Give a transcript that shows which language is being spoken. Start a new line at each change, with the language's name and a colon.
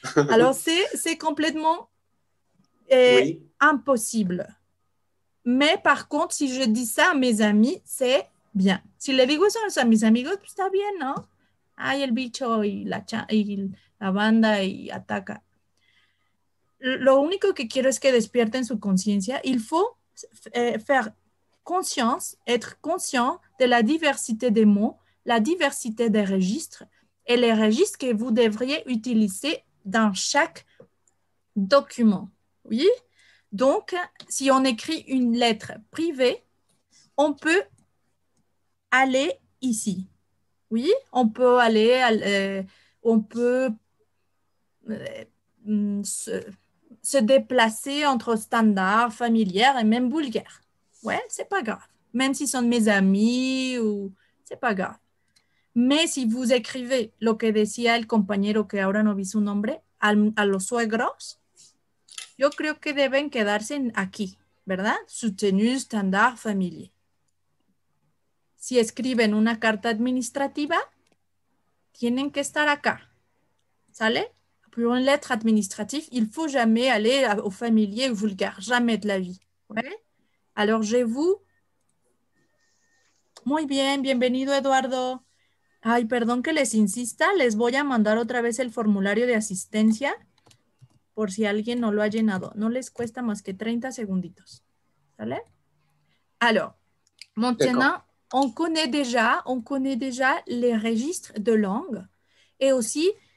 French: Alors, c'est complètement impossible. Mais par contre, si je dis ça a mes amis, c'est bien.
Spanish: Si le digo eso a mis amigos, pues está bien, ¿no? Ay, el bicho y la banda y ataca. Lo único que quiero es que despierten su conciencia.
French: Il faut faire conscience, être conscient de la diversité des mots, la diversité des registres et les registres que vous devriez utiliser dans chaque document. Oui? Donc, si on écrit une lettre privée, on peut aller ici. Oui? On peut aller, on peut... se déplacer entre standard, familière et même vulgaire. Ouais, c'est pas grave. Même si ce sont mes amis, ou c'est pas grave. Mais si vous écrivez
Spanish: lo que decía el compañero que ahora no vi su nombre, a los suegros, yo creo que deben quedarse aquí, ¿verdad? Soutenu, standard, familier. Si escriben una carta administrativa, tienen que estar acá. ¿Sale?
French: Pour une lettre administrative, il ne faut jamais aller au familier ou vulgaire. Jamais de la vie. Ouais. Alors, je vous...
Spanish: Muy bien, bienvenido, Eduardo. Ay, perdón que les insista. Les voy a mandar otra vez el formulario de asistencia por si alguien no lo ha llenado. No les cuesta más que 30 segunditos. ¿Sale?
French: Alors, maintenant, on connaît déjà les registres de langue et aussi...